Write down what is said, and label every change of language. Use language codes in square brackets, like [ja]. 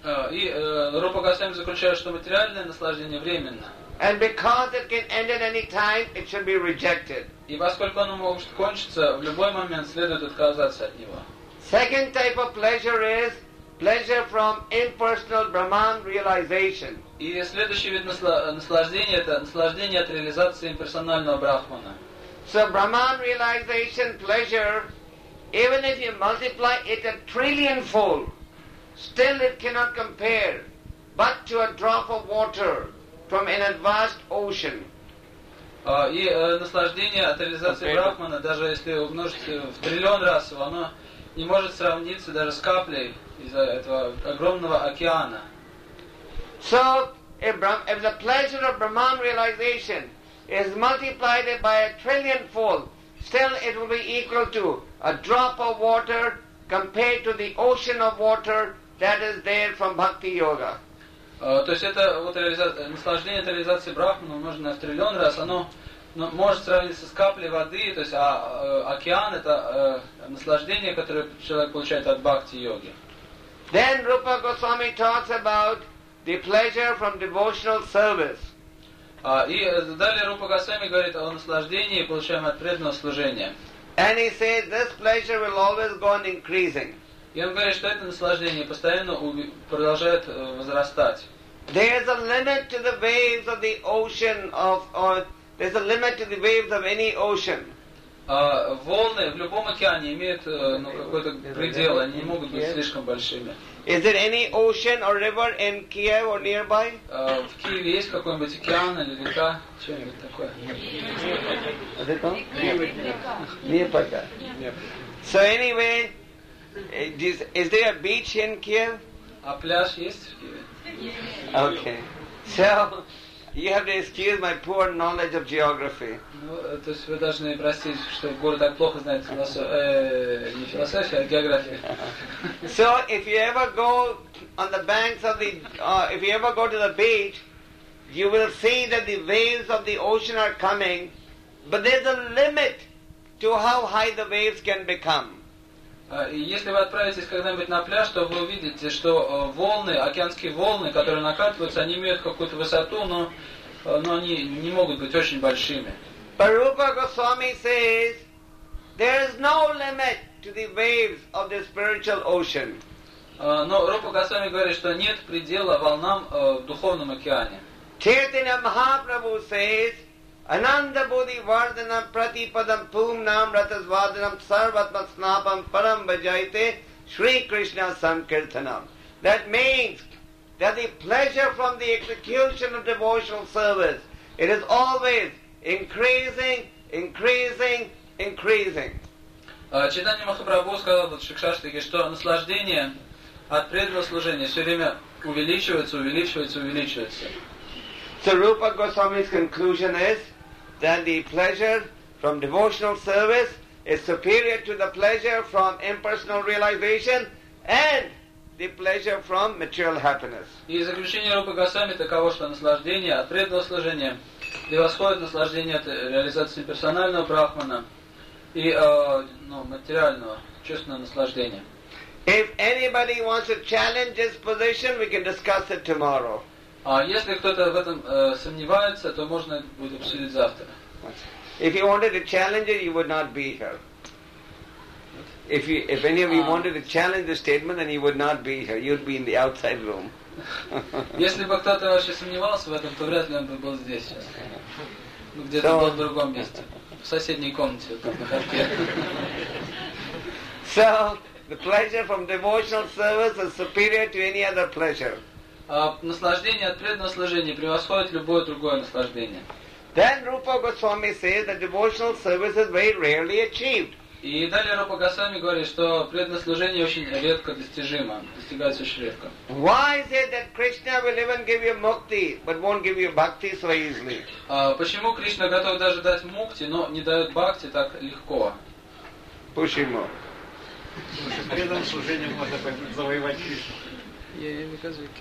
[ru] И Рупа Госвами заключает, что материальное наслаждение временно. [en] And because it can end at any time, it should be rejected. [ru] И поскольку оно может кончиться в любой момент, следует отказаться от него. [en] Second type of pleasure is pleasure from impersonal Brahman realization. [ru] И следующий вид наслаждения — это наслаждение от реализации имперсонального Брахмана. [en] So Brahman realization pleasure, even if you multiply it a trillionfold, still it cannot compare but to a drop of water from an vast ocean. [ru] Наслаждение от реализации Брахмана, даже если умножить в триллион раз, оно не может сравниться даже с каплей из этого огромного океана. [en] So, if the pleasure of Brahman realization is multiplied by a trillionfold, still it will be equal to a drop of water compared to the ocean of water that is there from Bhakti Yoga. [ru] То есть это вот наслаждение от реализации Брахмана, умноженное в триллион раз, оно может сравниться с каплей воды, то есть океан — это наслаждение, которое человек получает от Бхакти Йоги. [en] Then Rupa Goswami talks about the pleasure from devotional service. [ru] И далее Рупа Госвами говорит о наслаждении, получаемом от преданного служения. [en] And he says this pleasure will always go on increasing. [ru] И он говорит, что это наслаждение постоянно продолжает возрастать. [en] There is a limit to the waves of the ocean of, or there's a limit to the waves of any ocean. [ru] Волны в любом океане имеют какой-то предел, они не могут быть слишком большими. [en] Is there any ocean or river in Kiev or nearby? [ru] В Киеве есть какой-нибудь океан или река, что-нибудь такое? Нет пока. [en] So anyway. Is there a beach in Kiev? [ru] A пляж есть в Киеве. [en] Okay. So, you have to excuse my poor knowledge of geography. [ru] То есть вы должны простить, что город так плохо знает философию, а географию. [en] So, if you ever go on the banks of the, if you ever go to the beach, you will see that the waves of the ocean are coming, but there's a limit to how high the waves can become. [ru] Если вы отправитесь когда-нибудь на пляж, то вы увидите, что волны, океанские волны, которые накатываются, они имеют какую-то высоту, но они не могут быть очень большими. [en] But Rupa Goswami says, there is no limit to the waves of the spiritual ocean. [ru] Но Рупа Госвами говорит, что нет предела волнам в духовном океане. [sa] Чайтанья Махапрабху says, Ananda Bodhi Vardhanam Pratipadam Pumnam Ratasvadhanam Sarvatma Snapam Param Bajayate Shri Krishna Sankirtanam. [en] That means that the pleasure from the execution of devotional service, it is always increasing, increasing, increasing. [ru] Читание Махапрабху сказал в Шикшаштике, что наслаждение от преданного служения все время увеличивается, увеличивается, увеличивается. [en] So Rupa Goswami's conclusion is that the pleasure from devotional service is superior to the pleasure from impersonal realization and the pleasure from material happiness. [ru] И заключение Рупы Госвами таково, что наслаждение от преданного служения превосходит наслаждение от реализации персонального брахмана и материального, честного наслаждения. [en] If anybody wants to challenge his position, we can discuss it tomorrow. [ru] Если кто-то в этом сомневается, то можно будет обсудить завтра. [en] If you wanted to challenge it, you would not be here. If any of you wanted to challenge the statement, then you would not be here. You'd be in the outside room. [ru] Если бы кто-то вообще сомневался в этом, то вряд ли он бы был здесь сейчас. Где-то был в другом месте. В соседней комнате, на харке. [en] So, the pleasure from devotional service is superior to any other pleasure. [ru] Наслаждение от преданного служения превосходит любое другое наслаждение. [en] Then Rupa Goswami says that devotional service is very rarely achieved. [ru] И далее Рупа Госвами говорит, что преданное служение очень редко достижимо, достигается очень редко. [en] Why is it that Krishna will even give you mukti, but won't give you bhakti so easily? [ru] Почему Кришна готов даже дать мукти, но не дает бхакти так легко? Почему? Потому что преданным служением можно завоевать Кришну.